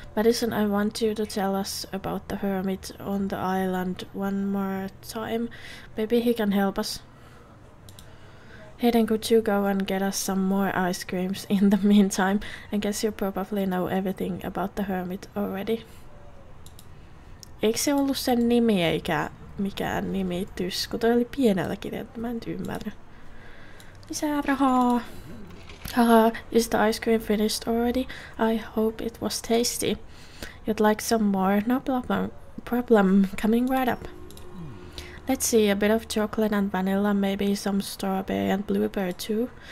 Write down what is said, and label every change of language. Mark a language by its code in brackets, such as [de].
[en] Madison, I want you to tell us about the hermit on the island one more time. Maybe he can help us. Hayden, could you go and get us some more ice creams in the meantime? I guess you probably know everything about the hermit already. [fi] Eikö se ollut sen nimi eikä mikään nimitys, kun toi oli pienellä kirjoittu, mä en ymmärrä. Lisää rahaa! [en] Haha, is the ice cream finished already? I hope it was tasty. You'd like some more? No problem, coming right up. Let's see, a bit of chocolate and vanilla, maybe some strawberry and blueberry too.